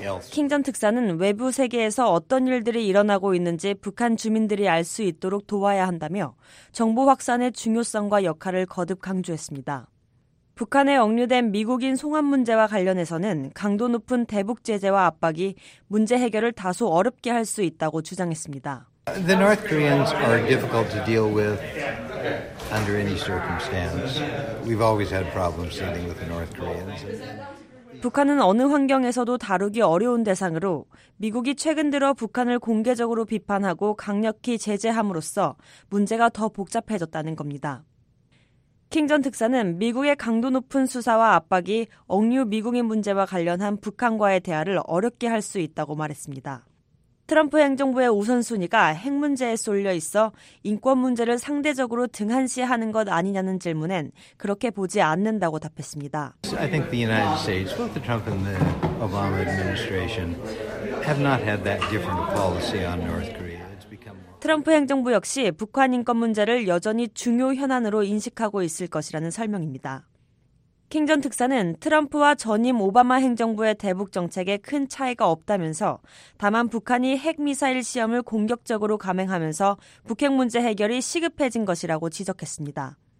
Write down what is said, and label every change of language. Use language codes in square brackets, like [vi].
[ko] 킹전 특사는 외부 세계에서 어떤 일들이 일어나고 있는지 북한 주민들이 알 수 있도록 도와야 한다며 정보 확산의 중요성과 역할을 거듭 강조했습니다. 북한에 억류된 미국인 송환 문제와 관련해서는 강도 높은 대북 제재와 압박이 문제 해결을 다소 어렵게 할 수 있다고 주장했습니다. [en] The North Koreans are difficult to deal with under any circumstance. We've always had problems dealing with the North Koreans. [ko] 북한은 어느 환경에서도 다루기 어려운 대상으로 미국이 최근 들어 북한을 공개적으로 비판하고 강력히 제재함으로써 문제가 더 복잡해졌다는 겁니다. 킹 전 특사는 미국의 강도 높은 수사와 압박이 억류 미국인 문제와 관련한 북한과의 대화를 어렵게 할 수 있다고 말했습니다. 트럼프 행정부의 우선순위가 핵 문제에 쏠려 있어 인권 문제를 상대적으로 등한시하는 것 아니냐는 질문엔 그렇게 보지 않는다고 답했습니다. [en] I think the United States, both the Trump and the Obama administration, have not had that different policy on North Korea. [ko] 트럼프 행정부 역시 북한 인권 문제를 여전히 중요 현안으로 인식하고 있을 것이라는 설명입니다. 킹 전 특사는 트럼프와 전임 오바마 행정부의 대북 정책에 큰 차이가 없다면서 다만 북한이 핵미사일 시험을 공격적으로 감행하면서 북핵 문제 해결이 시급해진 것이라고 지적했습니다.